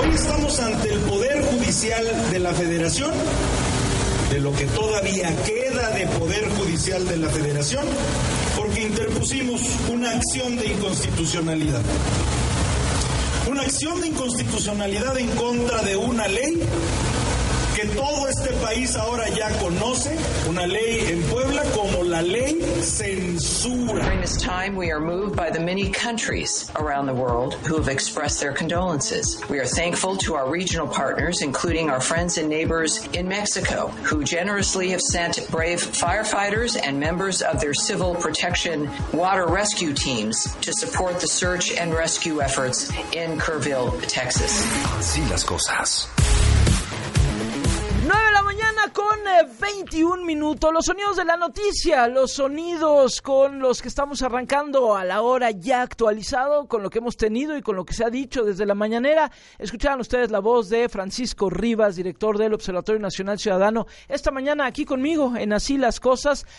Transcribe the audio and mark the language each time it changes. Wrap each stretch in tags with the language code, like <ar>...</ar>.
<es>Hoy estamos ante el Poder Judicial de la Federación, de lo que todavía queda de Poder Judicial de la Federación, porque interpusimos una acción de inconstitucionalidad. Una acción de inconstitucionalidad en contra de una ley que todo este país ahora ya conoce, una ley en Puebla como la ley censura.</es> <en>During this time, we are moved by the many countries around the world who have expressed their condolences. We are thankful to our regional partners, including our friends and neighbors in Mexico, who generously have sent brave firefighters and members of their civil protection water rescue teams to support the search and rescue efforts in Kerrville, Texas.</en> <es>Así las cosas. 9 de la mañana con 21 minutos, los sonidos de la noticia, los sonidos con los que estamos arrancando a la hora ya actualizado, con lo que hemos tenido y con lo que se ha dicho desde la mañanera. Escucharon ustedes la voz de Francisco Rivas, director del Observatorio Nacional Ciudadano, esta mañana aquí conmigo en Así las Cosas.</es>